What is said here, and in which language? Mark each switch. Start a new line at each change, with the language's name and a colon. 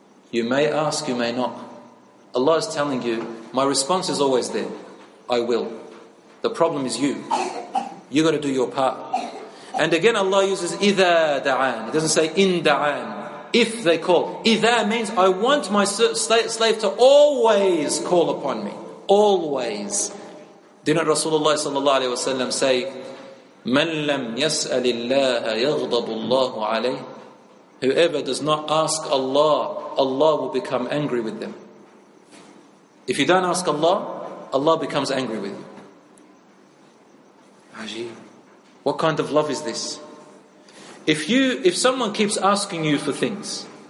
English: You may ask, you may not. Allah is telling you, my response is always there. I will. The problem is you. You got to do your part. And again, Allah uses
Arabic: إذا دعان.
English: It doesn't say
Arabic: إن دعان.
English: If they call. إذا means I want my slave to always call upon me. Always. Didn't Rasulullah sallallahu alaihi wasallam say,
Arabic: مَنْ لَمْ يَسْأَلِ اللَّهَ يَغْضَبُ اللَّهُ عَلَيْهِ.
English: Whoever does not ask Allah, Allah will become angry with them. If you don't ask Allah, Allah becomes angry with you. Ajeeb. What kind of love is this? If someone keeps asking you for things,